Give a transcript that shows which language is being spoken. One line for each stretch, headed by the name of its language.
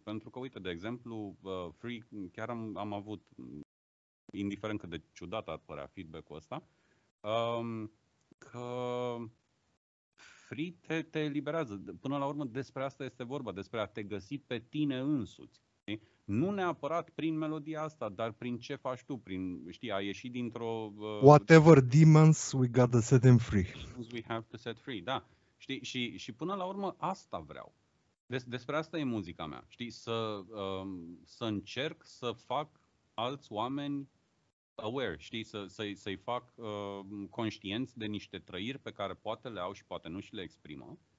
Romanian: Pentru că, uite, de exemplu, Free, chiar am avut, indiferent cât de ciudat ar părea feedback-ul ăsta, că Free te eliberează. Până la urmă, despre asta este vorba, despre a te găsi pe tine însuți. Nu neapărat prin melodia asta, dar prin ce faci tu, prin, știi, a ieși dintr-o...
English: Whatever demons we got to set them free. We have to set free,
Romanian: da. Știi? Și până la urmă, asta vreau. Despre asta e muzica mea, știi? Să încerc să fac alți oameni aware, știi, să-i fac conștienți de niște trăiri pe care poate le au și poate nu și le exprimă,